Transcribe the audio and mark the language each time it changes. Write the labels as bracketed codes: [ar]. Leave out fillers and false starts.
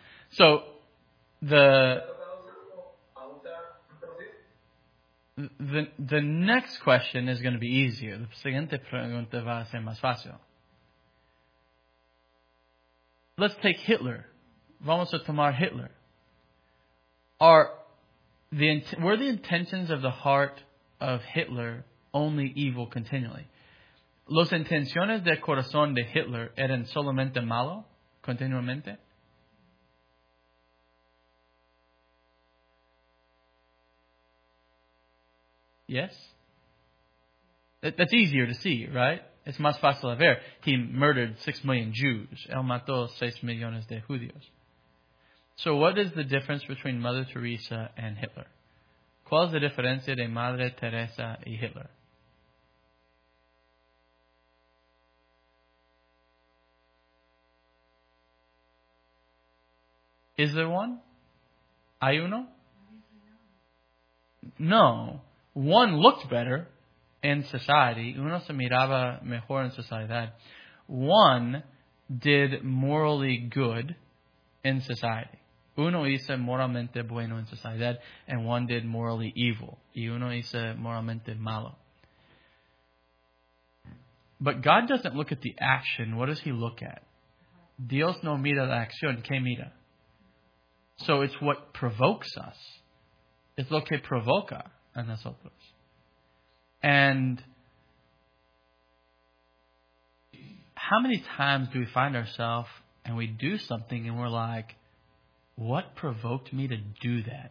[en] So, the next question is going to be easier. [es] La siguiente pregunta va a ser más fácil. [en] Let's take Hitler. [es] Vamos a tomar Hitler. [en] Were the intentions of the heart of Hitler only evil continually? [es] ¿Los intenciones del corazón de Hitler eran solamente malo continuamente? [en] Yes? That's easier to see, right? [es] Es más fácil de ver. [en] He murdered 6 million Jews. [es] Él mató 6 millones de judíos. [en] So what is the difference between Mother Teresa and Hitler? [es] ¿Cuál es la diferencia de Madre Teresa y Hitler? [en] Is there one? [es] ¿Hay uno? [en] No. One looked better in society. [es] Uno se miraba mejor en sociedad. [en] One did morally good in society. [es] Uno hizo moralmente bueno en sociedad. [en] And one did morally evil. [es] Y uno hizo moralmente malo. [en] But God doesn't look at the action. What does he look at? [es] Dios no mira la acción. ¿Qué mira? [en] So it's what provokes us. It's [es] lo que provoca a nosotros. [en] And how many times do we find ourselves and we do something and we're like, what provoked me to do that?